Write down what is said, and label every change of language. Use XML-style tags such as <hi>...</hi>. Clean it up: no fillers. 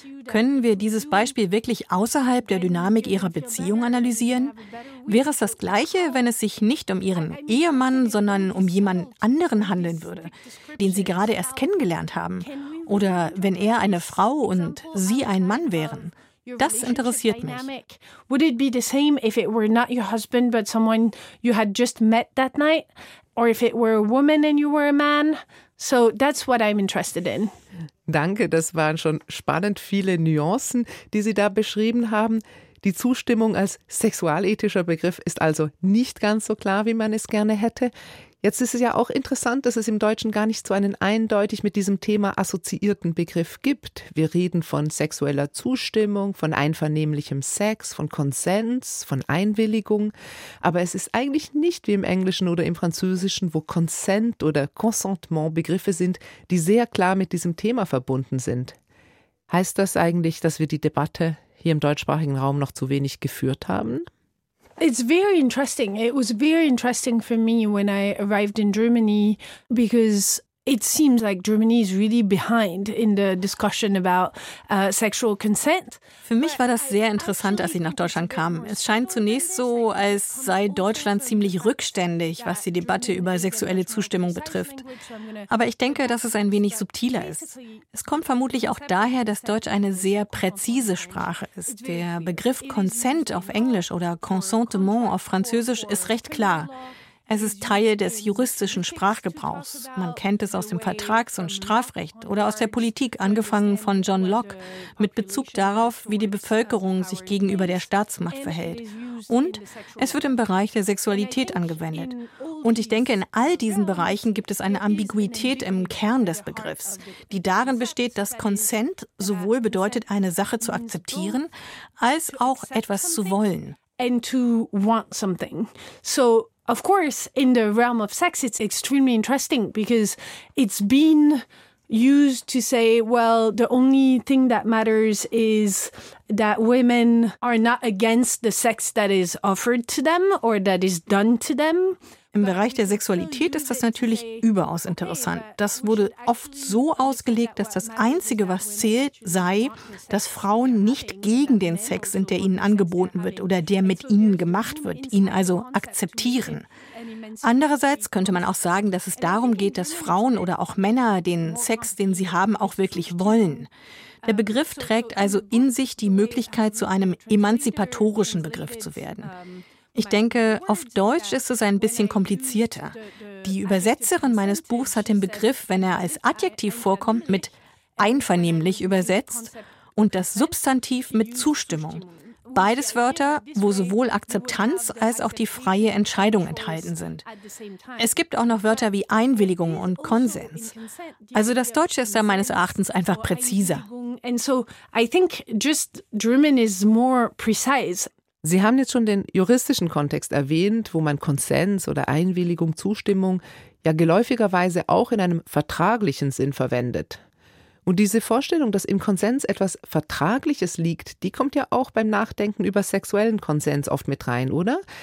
<de>Können wir dieses Beispiel wirklich außerhalb der Dynamik ihrer Beziehung analysieren? Wäre es das Gleiche, wenn es sich nicht um ihren Ehemann, sondern um jemanden anderen handeln würde, den sie gerade erst kennengelernt haben? Oder wenn er eine Frau und sie ein Mann wären? Das interessiert mich.</de> <en>Would it be the same if it were not your husband, but someone you had just met that night? Or if it were a woman and you were a man? So that's what I'm interested in.</en> <de>Danke, das waren schon spannend viele Nuancen, die Sie da beschrieben haben. Die Zustimmung als sexualethischer Begriff ist also nicht ganz so klar, wie man es gerne hätte. Jetzt ist es ja auch interessant, dass es im Deutschen gar nicht so einen eindeutig mit diesem Thema assoziierten Begriff gibt. Wir reden von sexueller Zustimmung, von einvernehmlichem Sex, von Konsens, von Einwilligung. Aber es ist eigentlich nicht wie im Englischen oder im Französischen, wo Consent oder Consentement Begriffe sind, die sehr klar mit diesem Thema verbunden sind. Heißt das eigentlich, dass wir die Debatte hier im deutschsprachigen Raum noch zu wenig geführt haben?</de> <en>It's very interesting. It was very interesting for me when I arrived in Germany because it seems like Germany is really behind in the discussion about sexual consent.</en> <de>Für mich war das sehr interessant, als ich nach Deutschland kam. Es scheint zunächst so, als sei Deutschland ziemlich rückständig, was die Debatte über sexuelle Zustimmung betrifft. Aber ich denke, dass es ein wenig subtiler ist. Es kommt vermutlich auch daher, dass Deutsch eine sehr präzise Sprache ist. Der Begriff Consent auf Englisch oder Consentement auf Französisch ist recht klar. Es ist Teil des juristischen Sprachgebrauchs. Man kennt es aus dem Vertrags- und Strafrecht oder aus der Politik, angefangen von John Locke, mit Bezug darauf, wie die Bevölkerung sich gegenüber der Staatsmacht verhält. Und es wird im Bereich der Sexualität angewendet. Und ich denke, in all diesen Bereichen gibt es eine Ambiguität im Kern des Begriffs, die darin besteht, dass Consent sowohl bedeutet, eine Sache zu akzeptieren, als auch etwas zu wollen.</de> <en>And to want something. So, of course, in the realm of sex, it's extremely interesting because it's been used to say, well, the only thing that matters is that women are not against the sex that is offered to them or that is done to them.</en> <de>Im Bereich der Sexualität ist das natürlich überaus interessant. Das wurde oft so ausgelegt, dass das Einzige, was zählt, sei, dass Frauen nicht gegen den Sex sind, der ihnen angeboten wird oder der mit ihnen gemacht wird, ihn also akzeptieren. Andererseits könnte man auch sagen, dass es darum geht, dass Frauen oder auch Männer den Sex, den sie haben, auch wirklich wollen. Der Begriff trägt also in sich die Möglichkeit, zu einem emanzipatorischen Begriff zu werden. Ich denke, auf Deutsch ist es ein bisschen komplizierter. Die Übersetzerin meines Buchs hat den Begriff, wenn er als Adjektiv vorkommt, mit einvernehmlich übersetzt und das Substantiv mit Zustimmung. Beides Wörter, wo sowohl Akzeptanz als auch die freie Entscheidung enthalten sind. Es gibt auch noch Wörter wie Einwilligung und Konsens. Also das Deutsche ist da meines Erachtens einfach präziser.</de> <en>And so I think just German is more precise.</en> <de>Sie haben jetzt schon den juristischen Kontext erwähnt, wo man Konsens oder Einwilligung, Zustimmung ja geläufigerweise auch in einem vertraglichen Sinn verwendet. Und diese Vorstellung, dass im Konsens etwas Vertragliches liegt, die kommt ja auch beim Nachdenken über sexuellen Konsens oft mit rein, oder?</de>